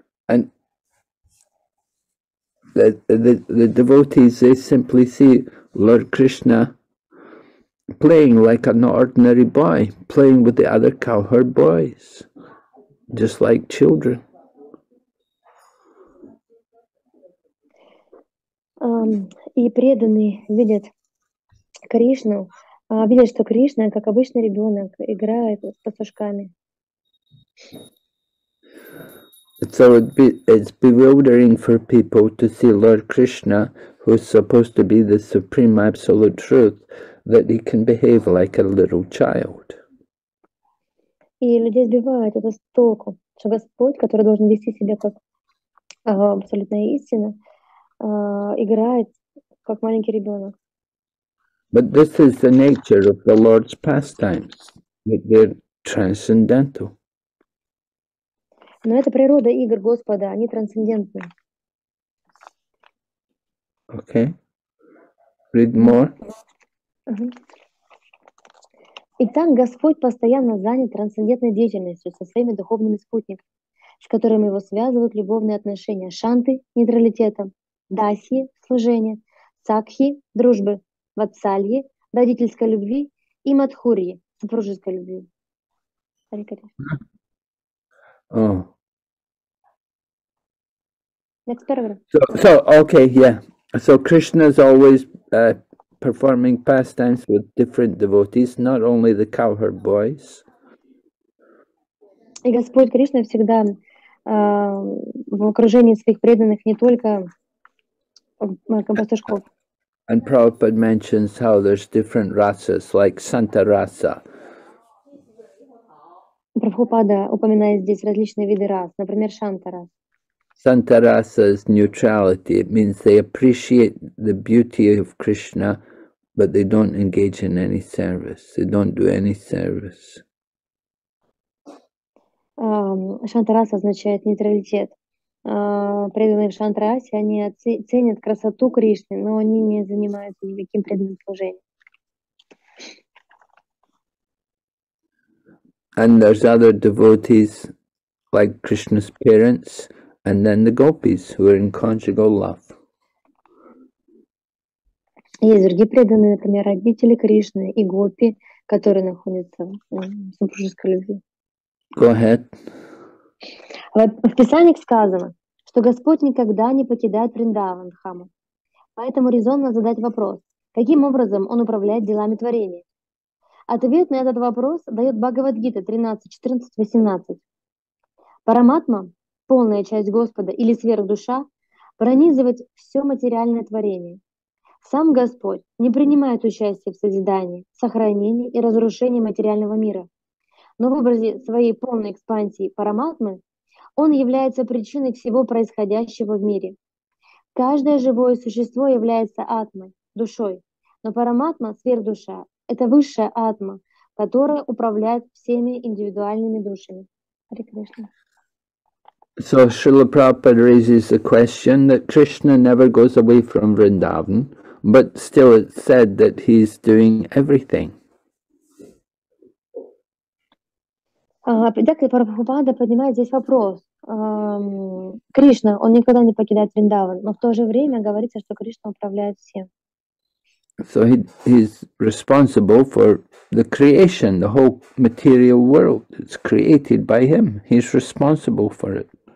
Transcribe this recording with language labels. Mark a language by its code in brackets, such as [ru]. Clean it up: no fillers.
[en] And the devotees, they simply see Lord Krishna playing like an ordinary boy, playing with the other cowherd boys, just like children. [ru] И преданные видят Кришну, видят, что Кришна, как обычный ребенок, играет с пастушками. [en] So it's bewildering for people to see Lord Krishna, who's supposed to be the supreme absolute truth, that he can behave like a little child. [ru] И людей сбивает это с толку, что Господь, который должен вести себя как абсолютная истина, играет, как маленький ребенок. [en] But this is the nature of the Lord's pastimes, that they're transcendental. [ru] Но это природа игр Господа, они трансцендентны. [en] Okay. Read more. [ru] Итак, Господь постоянно занят трансцендентной деятельностью со своими духовными спутниками, с которыми его связывают любовные отношения шанты, нейтралитета, дасьи, служения, сакхи, дружбы, ватсальи, родительской любви и мадхурьи, супружеской любви. [en] Next paragraph. So okay, yeah. So Krishna is always performing pastimes with different devotees, not only the cowherd boys. [ru] И Господь Кришна всегда в окружении своих преданных, не только пастушков. [en] And Prabhupada mentions how there's different rasas, like Santa rasa. [ru] Прабхупада упоминает здесь различные виды рас, например, шантара. [en] Santa rasa is neutrality. It means they appreciate the beauty of Krishna, but they don't engage in any service. They don't do any service. [ru] Шантарас означает нейтралитет. Преданные в шантарасе, они ценят красоту Кришны, но они не занимаются никаким преданным служением. [en] And there's other devotees, like Krishna's parents, and then the gopis, who are in conjugal love. [ru] Есть другие преданные, например, родители Кришны и гопи, которые находятся в супружеской любви. [en] Go ahead. [ru] Вот в Писании сказано, что Господь никогда не покидает Вриндаван Дхаму. Поэтому резонно задать вопрос, каким образом Он управляет делами творения? Ответ на этот вопрос дает Бхагавад-гита 13.14.18. Параматма, полная часть Господа или сверхдуша, пронизывает все материальное творение. Сам Господь не принимает участие в созидании, сохранении и разрушении материального мира. Но в образе своей полной экспансии параматмы Он является причиной всего происходящего в мире. Каждое живое существо является атмой, душой, но параматма, сверхдуша, это высшая атма, которая управляет всеми индивидуальными душами. [en] Hare Krishna. So Srila Prabhupada raises the question that Krishna never goes away from Vrindavan, but still it's said that he's doing everything. [ru] Так, Прабхупада поднимает здесь вопрос. Кришна, он никогда не покидает Вриндаван, но в то же время говорится, что Кришна управляет всем. [en] So he's responsible for the creation, the whole material world. It's created by him. He's responsible for it.